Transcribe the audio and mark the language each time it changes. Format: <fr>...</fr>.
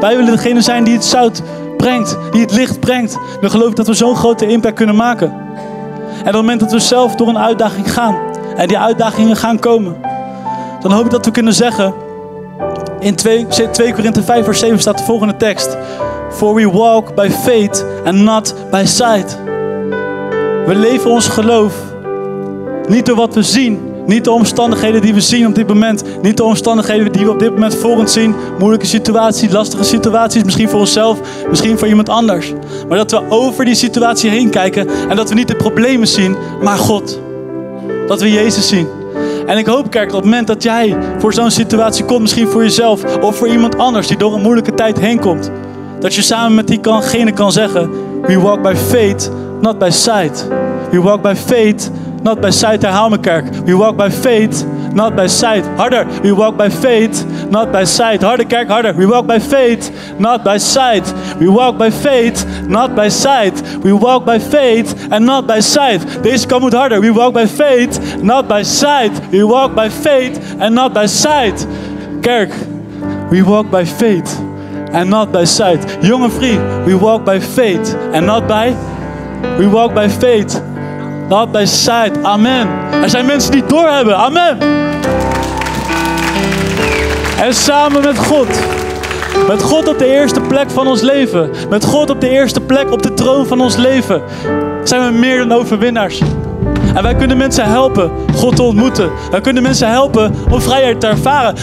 <nl>Wij willen degene zijn die het zout brengt. Die het licht brengt. Dan geloof ik dat we zo'n grote impact kunnen maken. En op het moment dat we zelf door een uitdaging gaan. En die uitdagingen gaan komen. Dan hoop ik dat we kunnen zeggen... In 2 Korinthe 5 vers 7 staat de volgende tekst.</nl> <en>For we walk by faith and not by sight.</en> <nl>We leven ons geloof niet door wat we zien. Niet de omstandigheden die we zien op dit moment. Niet de omstandigheden die we op dit moment voor ons zien. Moeilijke situatie, lastige situaties. Misschien voor onszelf, misschien voor iemand anders. Maar dat we over die situatie heen kijken. En dat we niet de problemen zien, maar God. Dat we Jezus zien. En ik hoop, kerk, dat op het moment dat jij voor zo'n situatie komt, misschien voor jezelf of voor iemand anders die door een moeilijke tijd heen komt, dat je samen met diegene kan zeggen:</nl> <en>we walk by faith, not by sight. We walk by faith, not by sight.</en> <nl>Herhaal me, kerk.</nl> <en>We walk by faith, not by sight. Harder. We walk by faith, not by sight.</en> <nl>Harder, kerk, harder.</nl> <en>We walk by faith, not by sight. We walk by faith, not by sight. We walk by faith and not by sight.</en> <nl>Deze kan moet harder.</nl> <en>We walk by faith, not by sight. We walk by faith and not by sight. Kerk, we walk by faith and not by sight. Jonge vrie, we walk by faith and not by... We walk by faith, not by sight.</en> <nl>Amen. Er zijn mensen die het doorhebben. Amen. En samen met God. Met God op de eerste plek van ons leven. Met God op de eerste plek op de troon van ons leven. Zijn we meer dan overwinnaars. En wij kunnen mensen helpen God te ontmoeten. Wij kunnen mensen helpen om vrijheid te ervaren.</nl>